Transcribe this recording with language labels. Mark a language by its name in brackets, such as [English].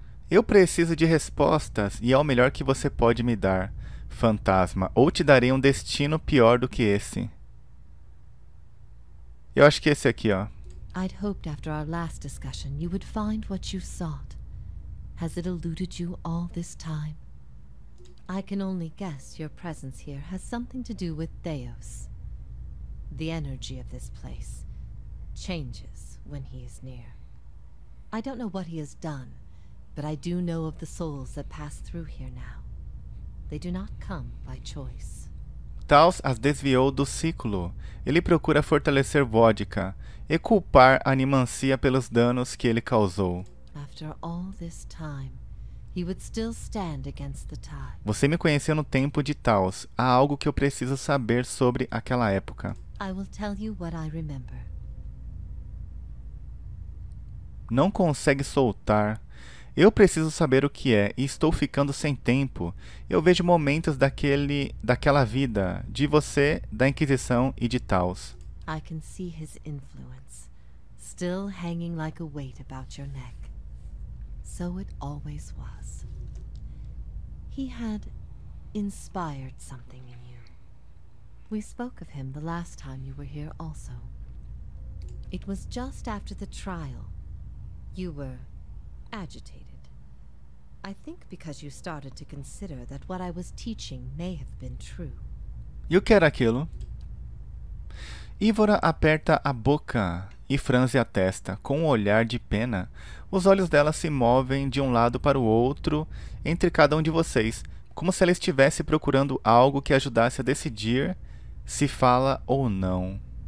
[Portuguese] Eu preciso de respostas, e é o melhor que você pode me dar, fantasma. Ou te darei um destino pior do que esse. Eu acho que esse aqui, ó. [English] I'd hoped after our last discussion you would find what you sought. Has it eluded you all this time? I can only guess your presence here has something to do with Theos. The energy of this place changes when he is near. I don't know what he has done, but I do know of the souls that pass through here now. They do not come by choice. [Portuguese] Taos as desviou do ciclo. Ele procura fortalecer Vodka e culpar a animancia pelos danos que ele causou. [English] After all this time, he would still stand against the tide. [Portuguese] Você me conheceu no tempo de Taos. Há algo que eu preciso saber sobre aquela época. [English] I will tell you what I remember. [Portuguese] Não consegue soltar. Eu preciso saber o que é, e estou ficando sem tempo. Eu vejo momentos daquela vida, de você, da Inquisição e de Taos. [English] I can see his influence, still hanging like a weight about your neck. So it always was. He had inspired something in you. We spoke of him the last time you were here also. It was just after the trial. You were agitated. I think because you started to consider that what I was teaching may have been true. [Portuguese] E o que era aquilo? Ívora aperta a boca e franze a testa, com um olhar de pena. Os olhos dela se movem de um lado para o outro, entre cada um de vocês, como se ela estivesse procurando algo que ajudasse a decidir se fala ou não.